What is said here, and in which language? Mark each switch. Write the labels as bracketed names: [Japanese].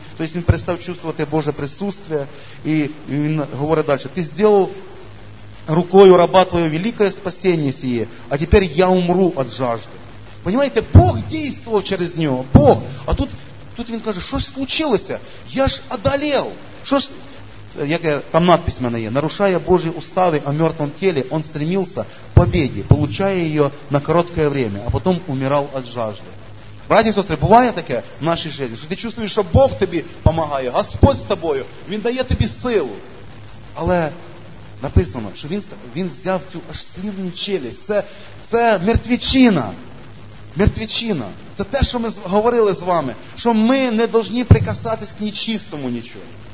[Ukrainian] Тобто він перестав чувствувати Боже присутствие. І він говорить далі. Ти зробив рукою раба твоє велике спасіння сіє, а тепер я умру від жажди. Понимаєте, Бог дійствував через нього. Бог. А тут він каже, що ж случилося? Я ж одолев. Що ж... Як там надпись в мене є, [Russian] нарушая Божі устави о мертвом тілі, он стремился к победе, получая ее на короткое время, а потом умирал от жажды. [Ukrainian] Браті і сестри, буває таке в нашій житті, що ти чувствуєш, що Бог тобі допомагає, Господь з тобою, Він дає тобі силу. Але написано, що він взяв цю аж слівну челюсть. Це мертвечина. Мертвечина. Це те, що ми говорили з вами, що ми не повинні прикасатись к нечистому нічого.